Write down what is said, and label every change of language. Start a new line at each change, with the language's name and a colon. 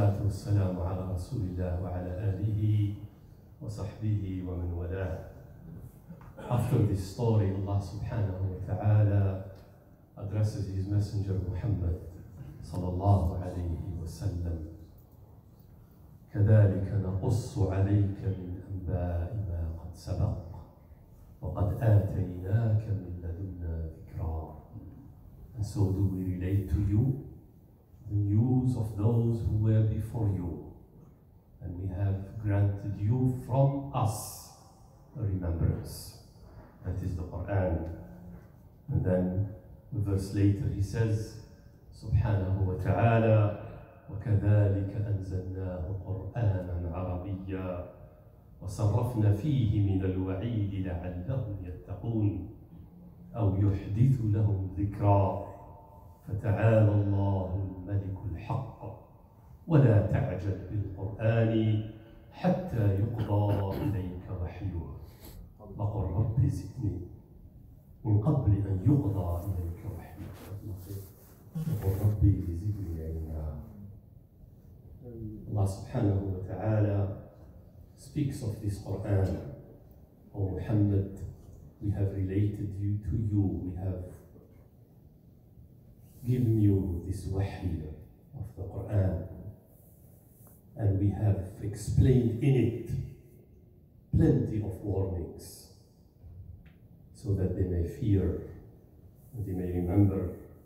Arabic: السلام على رسول الله وعلى آله وصحبه ومن والاه.
English: After this story, Allah subhanahu wa ta'ala addresses his messenger Muhammad صلى الله عليه وسلم.
Arabic: كذلك نقص عليك من أنباء ما قد سبق وقد آتيناك من لدنا ذكرا.
English: And so do we relate to you the news of those who were before you, and we have granted you from us a remembrance. That is the Quran. And then a verse later he says, Subhanahu wa ta'ala,
Arabic: وَكَذَلِكَ أَنزَلْنَاهُ قُرْآنًا عَرَبِيًّا وَصَرَّفْنَا فِيهِ مِنَ الْوَعِيدِ لَعَلَّهُمْ يَتَّقُونَ أَوْ يُحْدِثُ لَهُمْ ذِكْرًا. فتعالى الله الملك الحق ولا تعجل بالقرآن حتى يقضى إليك وحيه وقل رب زدني من قبل أن يقضى إليك وحيه وقل رب زدني علما.
English: الله سبحانه وتعالى speaks of this Quran. O Muhammad, we have related you to you, we have given you this wahy of the Quran, and we have explained in it plenty of warnings so that they may fear and they may remember.